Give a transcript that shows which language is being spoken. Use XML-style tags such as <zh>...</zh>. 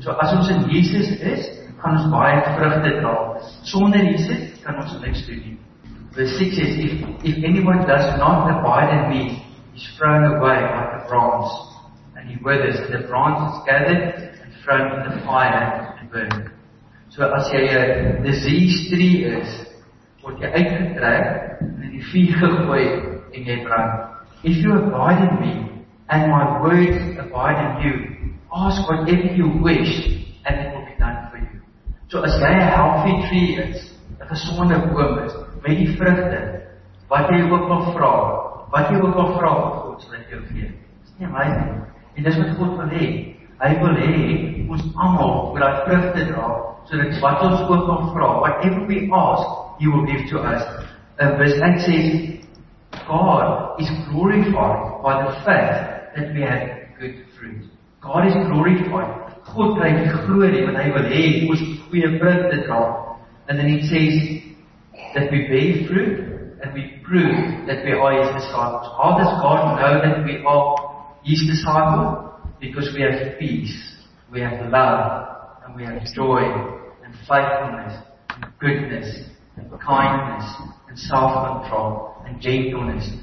<af>So as ons in Jesus is, kan ons baie vrugte dra. Sonder Jesus, kan ons niks doen nie.</af> <en>Verse 6 says, if anyone does not abide in me, he's thrown away like a branch, and he withers. The branch is gathered and thrown in the fire and burned.</en> <af>So as jy 'n</af> <en>disease tree</en> <af>is, word jy uitgetrek en in die vuur gegooi en jy brand.</af> <en>If you abide in me and my word abide in you, ask whatever you wish and it will be done for you.</en> <af>So as jy 'n</af> <en>healthy tree</en> <af>is, 'n gesonde boom is, met die vrugte, wat jy ook al vra, God sal dit jou gee. Dis nie my ding. En dis wat God wil hê. Hy wil hê ons almal moet daai vrugte dra.</af> <en>So that what we ask of God, whatever we ask, He will give to us. Verse 8 says, God is glorified by the fact that we have good fruit. God is glorified.</en> <af>God kry die glorie wat Hy wil hê ons goeie vrugte dra.</af> <en>And then it says that we bear fruit and we prove that we are His disciples. How does God know that we are His disciples? Because we have peace. We have love. And we have joy and faithfulness and goodness and kindness and self-control and gentleness.</en>